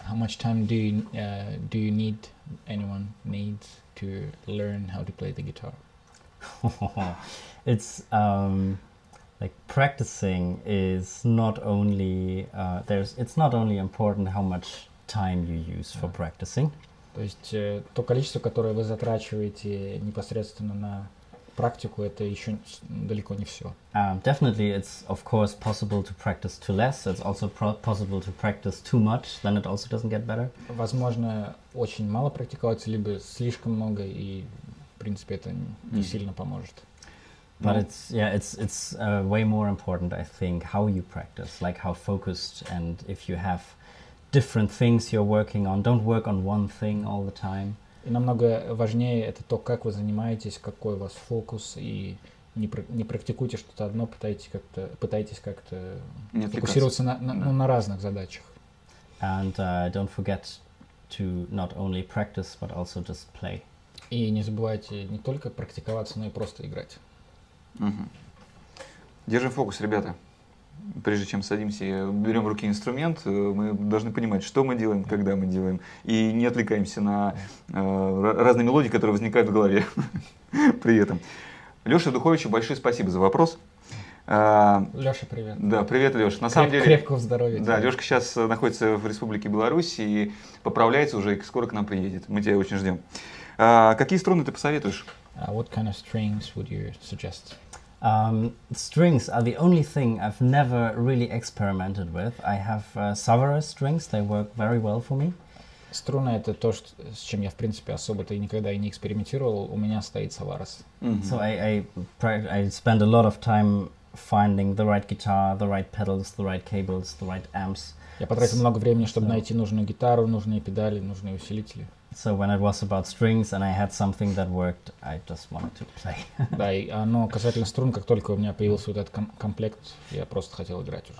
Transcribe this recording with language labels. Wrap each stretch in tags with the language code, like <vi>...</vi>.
<en>How much time do you need, anyone needs to learn how to play the guitar? It's like practicing is not only there's it's not only important how much time you use for practicing.</en> <ru>То есть то количество, которое вы затрачиваете непосредственно на практику, это еще далеко не все.</ru> <en>Definitely, it's of course possible to practice too less. It's also possible to practice too much. Then it also doesn't get better.</en> <ru>Возможно, очень мало практиковаться, либо слишком много, и, в принципе, это не сильно поможет.</ru> <en>But it's way more important, I think, how you practice, like how focused, and if you have different things you're working on, don't work on one thing all the time.</en> <ru>И намного важнее это то, как вы занимаетесь, какой у вас фокус, и не практикуйте что-то одно, пытайтесь как-то фокусироваться на разных задачах.</ru> <en>And don't forget to not only practice, but also just play.</en> <ru>И не забывайте не только практиковаться, но и просто играть. Угу. Держим фокус, ребята. Прежде чем садимся, берем в руки инструмент, мы должны понимать, что мы делаем, когда мы делаем, и не отвлекаемся на разные мелодии, которые возникают в голове при этом. Леша Духовичу большое спасибо за вопрос. Леша, привет. Да, привет, Леша. На самом деле... Крепкого здоровья. Да, Лешка сейчас находится в Республике Беларусь и поправляется уже, и скоро к нам приедет. Мы тебя очень ждем. Какие струны ты посоветуешь?</ru> <en>What kind of strings would you suggest? Strings are the only thing I've never really experimented with. I have Savara strings, they work very well for me.</en> <ru>Струна — это то, с чем я, в принципе, особо-то никогда и не экспериментировал. У меня стоит Savara.</ru> <en>So I spend a lot of time finding the right guitar, the right pedals, the right cables, the right amps.</en> <ru>Я потратил много времени, чтобы найти нужную гитару, нужные педали, нужные усилители.</ru> <en>So when it was about strings and I had something that worked, I just wanted to play.</en> <ru>Да, и оно касательно струн, как только у меня появился вот этот комплект, я просто хотел играть уже.</ru>